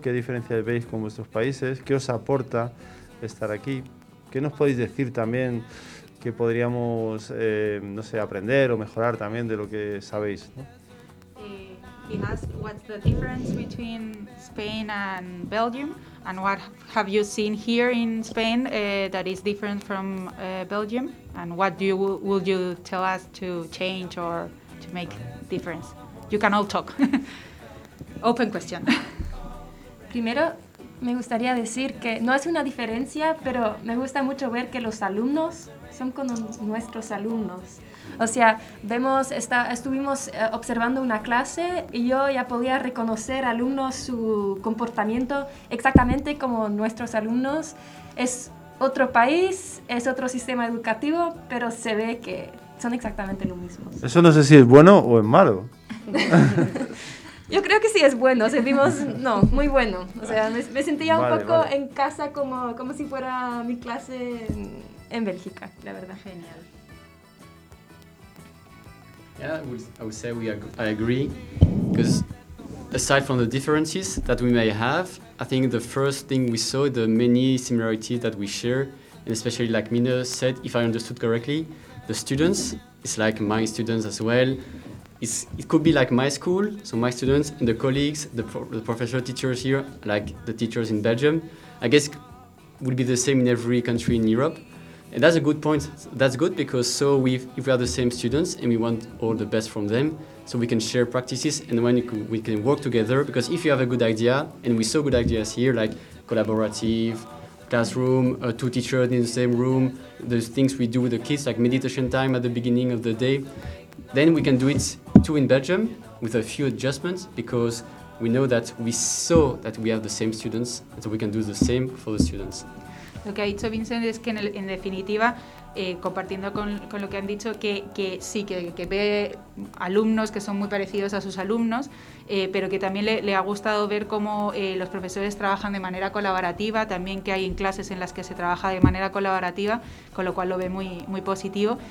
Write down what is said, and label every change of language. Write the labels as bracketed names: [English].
[Spanish] ¿Qué diferencias veis con vuestros países? ¿Qué os aporta estar aquí? ¿Qué nos podéis decir también que podríamos, no sé, aprender o mejorar también de lo que sabéis, ¿no? [English] He asked what's the difference between Spain and Belgium, and what have you seen here in Spain that is different from Belgium, and what do you would you tell us to change or to make difference? You can all talk. Open question. [Spanish] Primero, me gustaría decir que no es una diferencia, pero me gusta mucho ver que los alumnos son como nuestros alumnos. O sea, estuvimos observando una clase y yo ya podía reconocer alumnos su comportamiento exactamente como nuestros alumnos. Es otro país, es otro sistema educativo, pero se ve que son exactamente lo mismo. Eso no sé si es bueno o es malo. Yo creo que sí es bueno, sentimos, no, muy bueno. O sea, me sentía un poco en casa como si fuera mi clase en Bélgica, la verdad, genial. [English] Yeah, I would say I agree, because aside from the differences that we may have, I think the first thing we saw, the many similarities that we share, and especially like Mina said, if I understood correctly, the students, it's like my students as well. It could be like my school, so my students and the colleagues, the professional teachers here, like the teachers in Belgium, I guess would be the same in every country in Europe. And that's a good point. That's good because so if we are the same students and we want all the best from them, so we can share practices and when we can work together. Because if you have a good idea, and we saw good ideas here, like collaborative, classroom, two teachers in the same room, the things we do with the kids, like meditation time at the beginning of the day, then we can do it too in Belgium with a few adjustments, because we know that we saw that we have the same students, and so we can do the same for the students. [Spanish] Lo que ha dicho Vincent es que en definitiva, compartiendo con lo que han dicho, que sí, que ve alumnos que son muy parecidos a sus alumnos, pero que también le ha gustado ver cómo los profesores trabajan de manera colaborativa, también que hay en clases en las que se trabaja de manera colaborativa, con lo cual lo ve muy, muy positivo.